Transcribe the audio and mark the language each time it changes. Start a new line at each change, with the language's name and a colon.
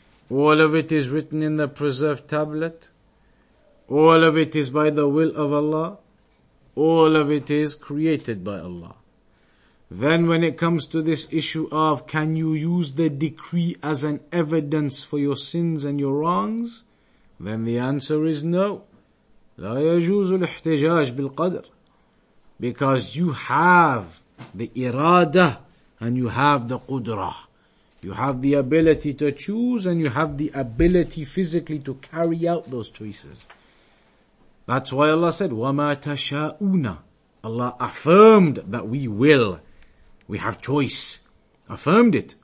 English: All of it is written in the preserved tablet. All of it is by the will of Allah. All of it is created by Allah. Then when it comes to this issue of can you use the decree as an evidence for your sins and your wrongs, then the answer is no.
Arabic: لا يجوز الاحتجاج بالقدر.
English: Because you have the irada and you have the qudra. You have the ability to choose and you have the ability physically to carry out those choices. That's why Allah said,
Arabic: وَمَا تَشَاءُونَ.
English: Allah affirmed that we will. We have choice. Affirmed it.